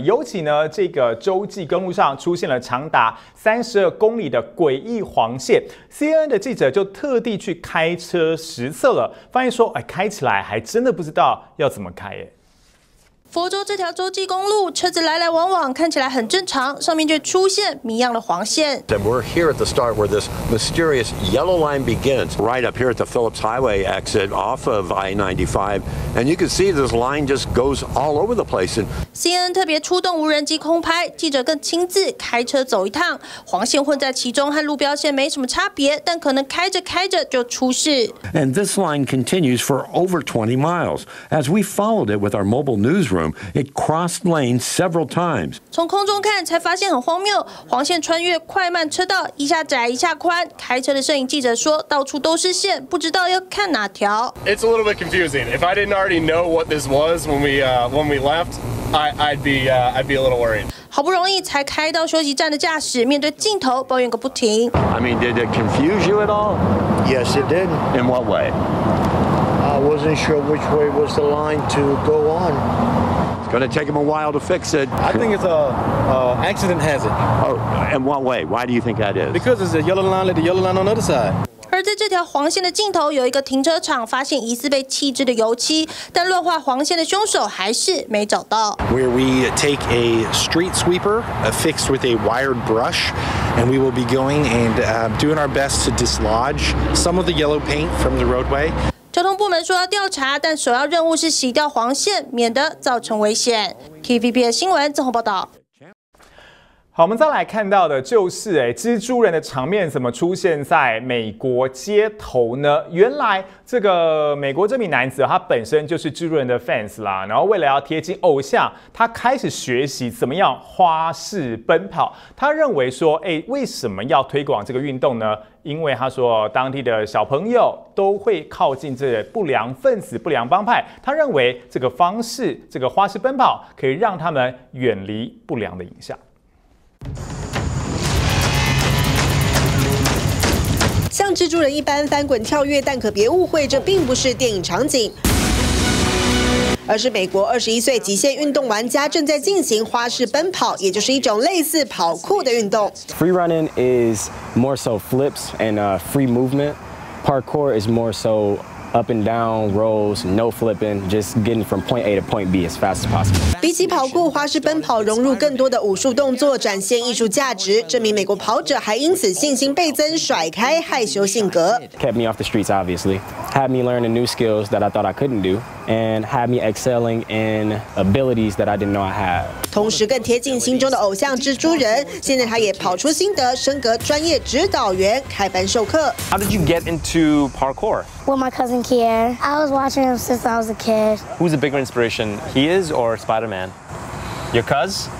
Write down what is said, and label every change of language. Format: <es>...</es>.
<zh>尤其呢，这个洲际公路上出现了长达32公里的诡异黄线。 CNN 的记者就特地去开车实测了，发现说，开起来还真的不知道要怎么开。佛州这条洲际公路，车子来来往往，看起来很正常，上面却出现谜样的黄线。</zh> <en>And we're here at the start where this mysterious yellow line begins, right up here at the Phillips Highway exit off of I-95, and you can see this line just goes all over the place.</en> <zh>CNN 特别出动无人机空拍，记者更亲自开车走一趟，黄线混在其中，和路标线没什么差别，但可能开着开着就出事。</zh> <en>And this line continues for over 20 miles as we followed it with our mobile news. It crossed lanes several times.</en> <zh>从空中看才发现很荒谬，黄线穿越快慢车道，一下窄一下宽。开车的摄影记者说，到处都是线，不知道要看哪条。</zh> <en>It's a little bit confusing. If I didn't already know what this was when we left, I'd be a little worried.</en> <zh>好不容易才开到休息站的驾驶，面对镜头抱怨个不停。</zh> <en>I mean, did it confuse you at all? Yes, it did. In what way? I wasn't sure which way was the line to go on. It's going to take him a while to fix it. I think it's an accident hazard. Oh, in what way? Why do you think that is? Because it's a yellow line, like the yellow line on the other side.</en> <zh>而在这条黄线的尽头，有一个停车场，发现疑似被弃置的油漆，但乱画黄线的凶手还是没找到。</zh> <en>Where we take a street sweeper affixed with a wired brush, and we will be going and doing our best to dislodge some of the yellow paint from the roadway.</en> <zh>交通部门说要调查，但首要任务是洗掉黄线，免得造成危险。 TVBS 新闻郑宏报道。好，我们再来看到的就是，蜘蛛人的场面怎么出现在美国街头呢？原来这个美国这名男子，他本身就是蜘蛛人的 fans 啦，然后为了要贴近偶像，他开始学习怎么样花式奔跑。他认为说，为什么要推广这个运动呢？因为他说当地的小朋友都会靠近这不良分子、不良帮派，他认为这个方式、这个花式奔跑可以让他们远离不良的影响。像蜘蛛人一般翻滚跳跃，但可别误会，这并不是电影场景，而是美国21岁极限运动玩家正在进行花式奔跑，也就是一种类似跑酷的运动。</zh> <en>Free running is more so flips and free movement. Parkour is more so up and down rolls, no flipping, just getting from point A to point B as fast as possible.</en> <zh>比起跑酷，花式奔跑融入更多的武术动作，展现艺术价值。这名美国跑者还因此信心倍增，甩开害羞性格。</zh> <en>Kept me off the streets, obviously. Had me learn new skills that I thought I couldn't do. and had me excelling in abilities that I didn't know I had.</en> <zh>同时更贴近心中的偶像蜘蛛人，现在他也跑出心得，升格专业指导员，开班授课。</zh> <en>How did you get into parkour? With my cousin Kier. I was watching him since I was a kid. Who's a bigger inspiration, he is or Spider-Man? Your cuz?</en>